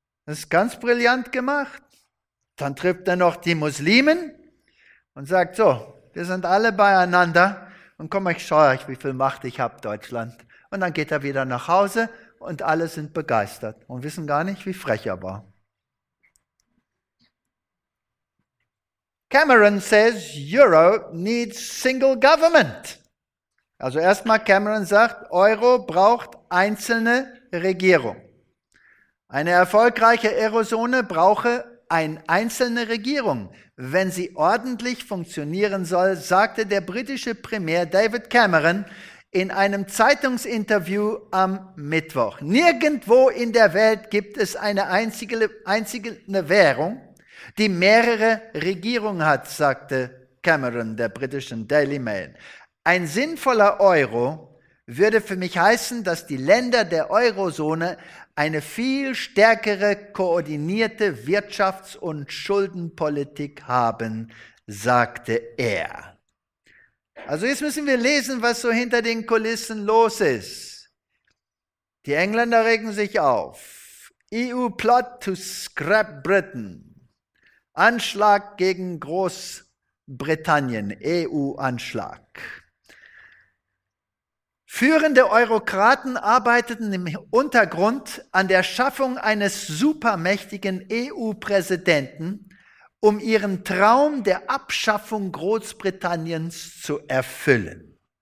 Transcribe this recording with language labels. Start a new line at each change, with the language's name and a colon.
German: Das ist ganz brillant gemacht. Dann trifft er noch die Muslimen und sagt so, wir sind alle beieinander und komm, ich schaue euch, wie viel Macht ich habe, Deutschland. Und dann geht er wieder nach Hause und alle sind begeistert und wissen gar nicht, wie frech er war.
English: Cameron says, Euro needs single government.
German: Also erstmal Cameron sagt, Euro braucht einzelne Regierung. Eine erfolgreiche Eurozone brauche eine einzelne Regierung. Wenn sie ordentlich funktionieren soll, sagte der britische Premier David Cameron in einem Zeitungsinterview am Mittwoch. Nirgendwo in der Welt gibt es eine einzige Währung, die mehrere Regierungen hat, sagte Cameron der britischen Daily Mail. Ein sinnvoller Euro würde für mich heißen, dass die Länder der Eurozone eine viel stärkere koordinierte Wirtschafts- und Schuldenpolitik haben, sagte er. Also jetzt müssen wir lesen, was so hinter den Kulissen los ist. Die Engländer regen sich auf.
English: EU plot to scrap Britain.
German: Anschlag gegen Großbritannien, EU-Anschlag. Führende Eurokraten arbeiteten im Untergrund an der Schaffung eines supermächtigen EU-Präsidenten, um ihren Traum der Abschaffung Großbritanniens zu erfüllen.